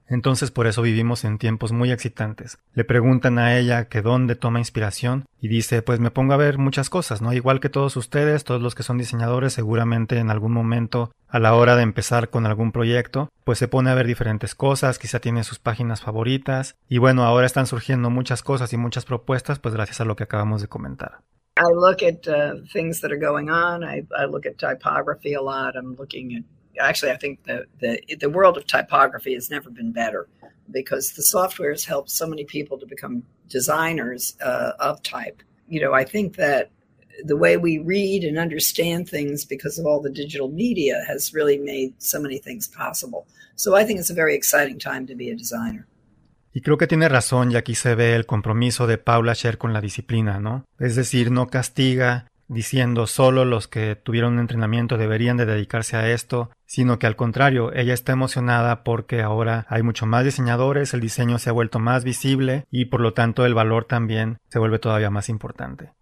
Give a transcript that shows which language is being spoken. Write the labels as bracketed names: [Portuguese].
[Spanish] Entonces por eso vivimos en tiempos muy excitantes. Le preguntan a ella que dónde toma inspiración y dice, pues me pongo a ver muchas cosas, ¿no? Igual que todos ustedes, todos los que son diseñadores, seguramente en algún momento a la hora de empezar con algún proyecto, pues se pone a ver diferentes cosas, quizá tiene sus páginas favoritas y bueno, ahora están surgiendo muchas cosas y muchas propuestas, pues gracias a lo que acabamos de comentar. [English] I look at things that are going on. I look at typography a lot. I'm looking at, actually, I think the world of typography has never been better because the software has helped so many people to become designers of type. You know, I think that the way we read and understand things because of all the digital media has really made so many things possible. So I think it's a very exciting time to be a designer. [Spanish] Y creo que tiene razón, y aquí se ve el compromiso de Paula Scher con la disciplina, ¿no? Es decir, no castiga diciendo solo los que tuvieron un entrenamiento deberían de dedicarse a esto, sino que al contrario, ella está emocionada porque ahora hay mucho más diseñadores, el diseño se ha vuelto más visible y por lo tanto el valor también se vuelve todavía más importante.